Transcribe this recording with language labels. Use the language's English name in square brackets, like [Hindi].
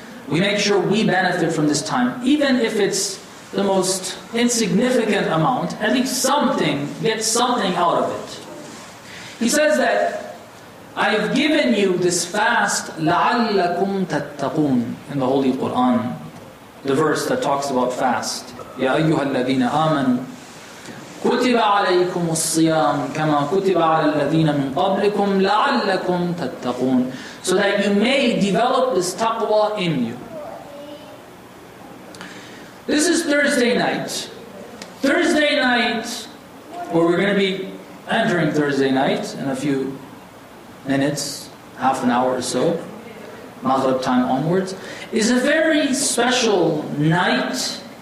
[English] We make sure we benefit from this time. Even if it's the most insignificant amount, at least something, get something out of it. He says that, I have given you this fast, [Arabic] لَعَلَّكُمْ تَتَّقُونَ [English] in the Holy Qur'an, the verse that talks about fast. [Arabic] يَا أَيُّهَا الَّذِينَ آمَنُوا كُتِبَ عَلَيْكُمُ الصِّيَامُ كَمَا كُتِبَ عَلَى الَّذِينَ مِنْ قَبْلِكُمْ لَعَلَّكُمْ تَتَّقُونَ [English] so that you may develop this taqwa in you. This is Thursday night. Thursday night, where we're going to be entering Thursday night in a few minutes, half an hour or so, Maghrib time onwards, is a very special night.